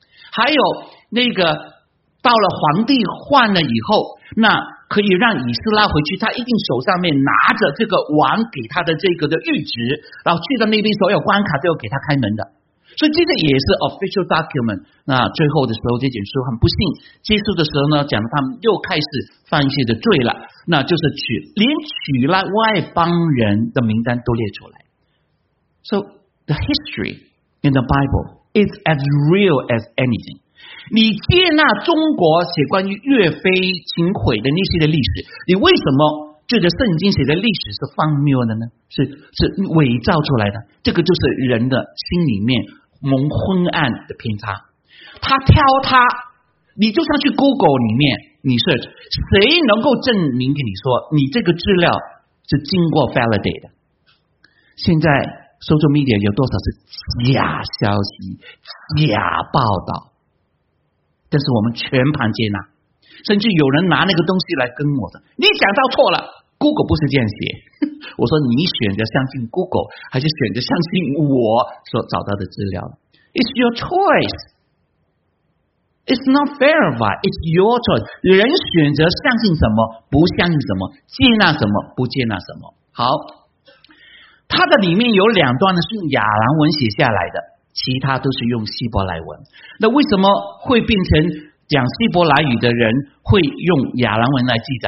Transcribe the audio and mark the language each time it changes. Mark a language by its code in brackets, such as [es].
[zh] 还有那个到了皇帝换了以后，那可以让以斯拉回去，他一定手上面拿着这个王给他的这个的谕旨，然后去到那边所有关卡都要给他开门的，所以这个也是 official document。那最后的时候这卷书很不幸结束的时候呢，讲他们又开始犯一些的罪了，那就是连取了外邦人的名单都列出来。 [en] So the history in the Bible is as real as anything。 [zh] 你接纳中国写关于岳飞秦桧的那些的历史，你为什么觉得圣经写的历史是荒谬的呢？是伪造出来的，这个就是人的心里面蒙昏暗的偏差。他挑他，你就上去 Google 里面你 search， 谁能够证明给你说你这个资料是经过 validate 的？现在 social media 有多少是假消息、假报道？但是我们全盘接纳，甚至有人拿那个东西来跟我的，你想到错了， Google 不是这样写。我说你选择相信 Google 还是选择相信我所找到的资料？ [en] It's your choice, It's not fair, It's your choice. [zh] 人选择相信什么不相信什么，接纳什么不接纳什么。好，它的里面有两段是用亚兰文写下来的，其他都是用希伯来文。那为什么会变成讲希伯来语的人会用亚兰文来记载？